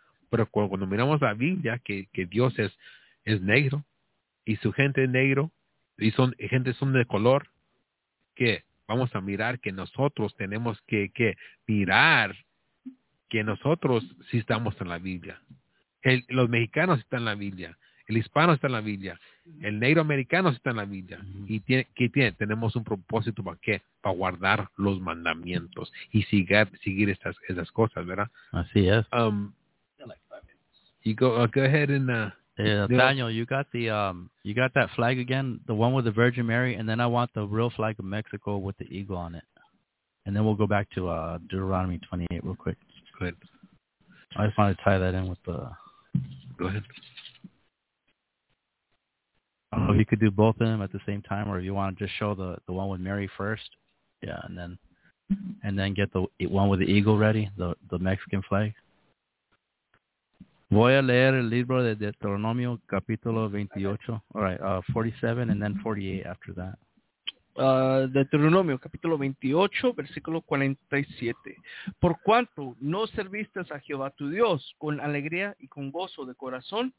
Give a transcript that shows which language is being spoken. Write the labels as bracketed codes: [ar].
[es] Pero cuando miramos la Biblia, que Dios es negro, y su gente es negro, y son gente son de color, que vamos a mirar que nosotros tenemos que mirar que nosotros sí estamos en la Biblia. los mexicanos están en la Biblia, el hispano está en la Biblia, el negro americano está en la Biblia. Uh-huh. ¿Y tiene, qué tiene? Tenemos un propósito, ¿para qué? Para guardar los mandamientos y seguir esas cosas, ¿verdad? Así es. [en] Go ahead and... Daniel, you got that flag again, the one with the Virgin Mary, and then I want the real flag of Mexico with the eagle on it. And then we'll go back to Deuteronomy 28 real quick. Go ahead. I just want to tie that in with the... Go ahead. I don't know if you could do both of them at the same time, or if you want to just show the one with Mary first. Yeah, and then get the one with the eagle ready, the Mexican flag. [es] Voy a leer el libro de Deuteronomio, capítulo 28. [en] Okay. All right, 47 and then 48 after that. [es] Deuteronomio, capítulo 28, versículo 47. Por cuanto no serviste a Jehová tu Dios con alegría y con gozo de corazón.